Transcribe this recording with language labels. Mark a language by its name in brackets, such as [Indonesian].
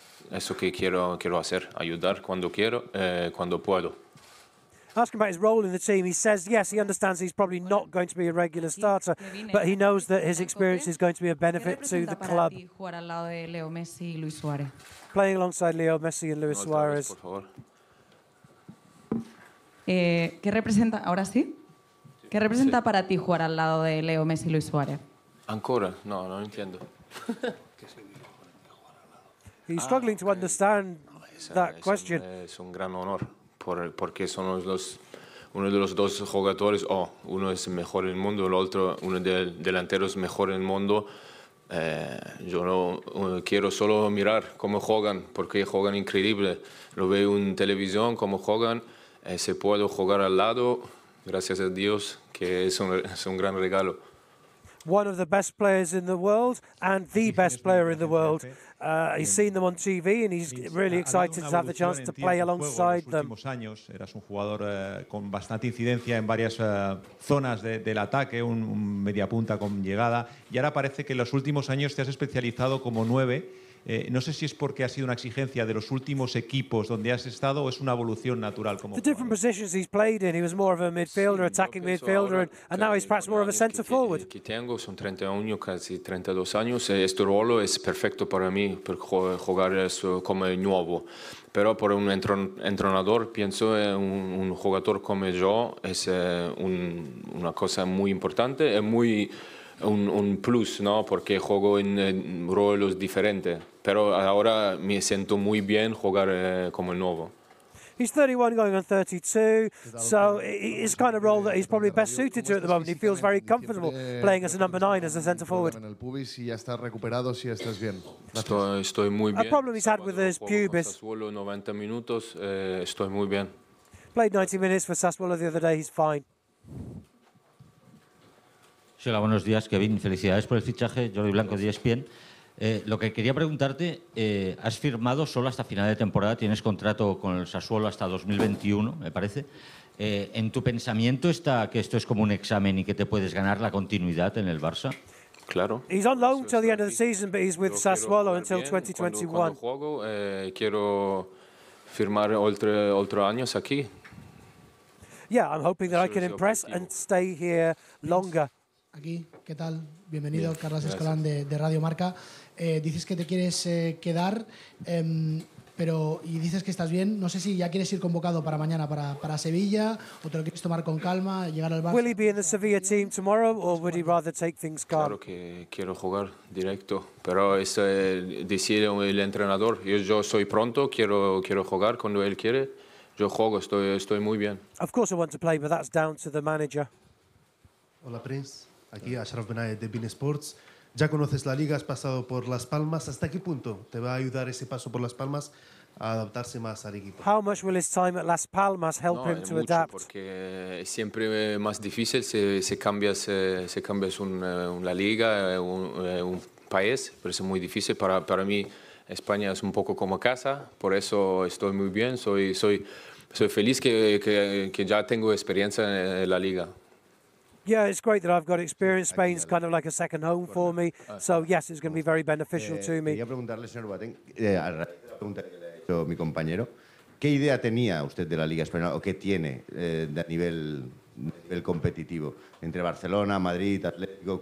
[Spanish] Eso que quiero hacer, ayudar cuando quiero, cuando puedo. [English] Asking about his role in the team, he says yes, he understands he's probably not going to be a regular starter, but he knows that his experience is going to be a benefit to the club. [Spanish] Jugar al lado de Leo Messi y Luis Suárez. [English] Playing alongside Leo Messi and Luis Suárez. [Spanish] ¿Qué representa ahora sí? ¿Qué representa para ti jugar al lado de Leo Messi y Luis Suárez? Ancora, no entiendo. [English] He's struggling to understand that question. [Spanish] Es un gran honor porque son uno de los dos jugadores. Uno es mejor del mundo, el otro uno de delanteros mejor del mundo. Yo no quiero solo mirar cómo juegan, porque juegan increíble. Lo veo en televisión cómo juegan. Se puedo jugar al lado, gracias a Dios, que es un gran regalo. [English] One of the best players in the world and the best player in the world. He's seen them on TV and he's really excited to have the chance to play alongside them. [Spanish] En los últimos años eras un jugador con bastante incidencia en varias zonas del ataque, un mediapunta con llegada, y ahora parece que en los últimos años te has especializado como nueve. No sé si es porque ha sido una exigencia de los últimos equipos donde has estado o es una evolución natural como [English] the different positions he's played in. He was more of a midfielder, attacking midfielder, and now he's perhaps more of a center forward. [Spanish] Que tengo son 31, casi 32 años. Este rol es perfecto para mí, por jugar como nuevo. Pero por un entrenador, pienso un jugador como yo es una cosa muy importante, es muy un plus, ¿no? Porque juego en roles diferentes. Pero ahora me siento muy bien jugar como el nuevo. [English] He's 31 going on 32, so it's kind of role that he's probably best suited to at the moment. He feels very comfortable playing as a number 9, as a center forward. [Spanish] Estoy muy bien. [English] A problem he's had with his pubis. [Spanish] Solo 90 minutos, estoy muy bien. [English] Played 90 minutes for Sassuolo the other day, he's fine. [Spanish] Hola, buenos días, Kevin. Felicidades por el fichaje. Jordi Blanco, de ESPN. Lo que quería preguntarte, has firmado solo hasta final de temporada, tienes contrato con el Sassuolo hasta 2021, me parece. ¿En tu pensamiento está que esto es como un examen y que te puedes ganar la continuidad en el Barça? Claro. [English] He's on loan till the end of the season, but he's with Sassuolo until 2021. [Spanish] Cuando juego, quiero firmar otro año aquí. [English] Yeah, I'm hoping that I can impress and stay here longer. [Spanish] Aquí, ¿qué tal? Bienvenido, Carlos Escolán de Radio Marca. Dices que te quieres quedar. pero y dices que estás bien. No sé si ya quieres ir convocado para mañana para Sevilla o te lo quieres tomar con calma, llegar al Barça. [English] Will he be in the Sevilla team tomorrow or would he rather take things calm? [Spanish] Claro que quiero jugar directo, pero eso decide el entrenador. Yo soy pronto, quiero jugar cuando él quiere. Yo juego, estoy muy bien. [English] Of course I want to play, but that's down to the manager. [Spanish] Hola, Prince. Aquí Ashraf Benay de Bein Sports. Ya conoces la liga, has pasado por Las Palmas. ¿Hasta qué punto te va a ayudar ese paso por Las Palmas a adaptarse más al equipo? [English] How much will his time at Las Palmas help him to adapt? [Spanish] No, mucho, porque es siempre más difícil si cambias una liga, un país, pero es muy difícil para mí. España es un poco como casa, por eso estoy muy bien, soy feliz que ya tengo experiencia en la liga. [English] Yeah, it's great that I've got experience. Spain's kind of like a second home for me. So, yes, it's going to be very beneficial to me. [Spanish] Quería preguntarle, señor Boateng, a la pregunta que le ha hecho mi compañero, ¿qué idea tenía usted de la Liga Española o qué tiene a nivel competitivo entre Barcelona, Madrid, Atlético?